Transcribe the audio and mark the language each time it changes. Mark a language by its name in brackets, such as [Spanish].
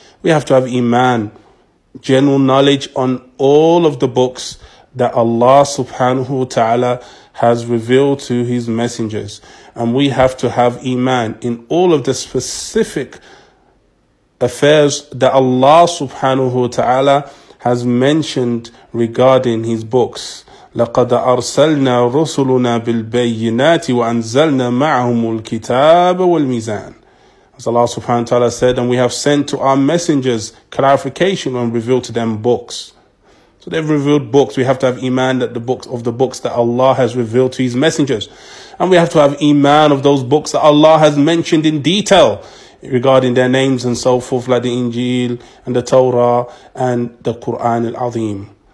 [English] We have to have iman, general knowledge on all of the books that Allah subhanahu wa ta'ala has revealed to his messengers. And we have to have iman in all of the specific affairs that Allah subhanahu wa ta'ala has mentioned regarding his books. [Arabic] لقد أرسلنا رسلنا بالبينات وأنزلنا معهم الكتاب والميزان. [English] As Allah subhanahu wa ta'ala said, and we have sent to our messengers clarification and revealed to them books. So they've revealed books. We have to have iman that the books of the books that Allah has revealed to his messengers. And we have to have iman of those books that Allah has mentioned in detail regarding their names and so forth, like the Injil and the Torah and the Quran al-Azim.